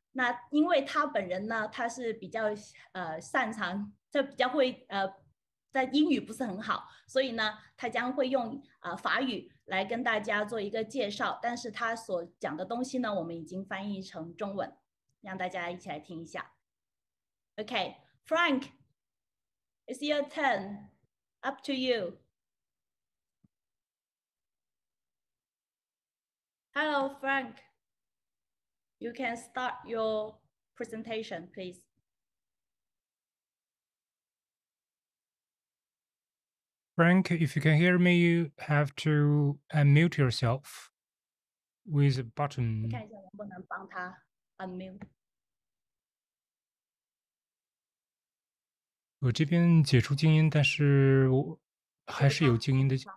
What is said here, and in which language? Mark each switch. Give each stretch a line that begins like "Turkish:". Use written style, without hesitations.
Chinese: 那因为他本人呢，他是比较擅长，他比较会在英语不是很好，所以呢他将会用法语来跟大家做一个介绍，但是他所讲的东西呢，我们已经翻译成中文，让大家一起来听一下。
English: OK, Frank, it's your turn, up to you. Hello Frank,You can start your presentation, please. Frank, if you can hear me, you have to unmute yourself with a button.
Chinese: 看一下能不能帮他 unmute. 我这边解除静音，但是我还是有静音的。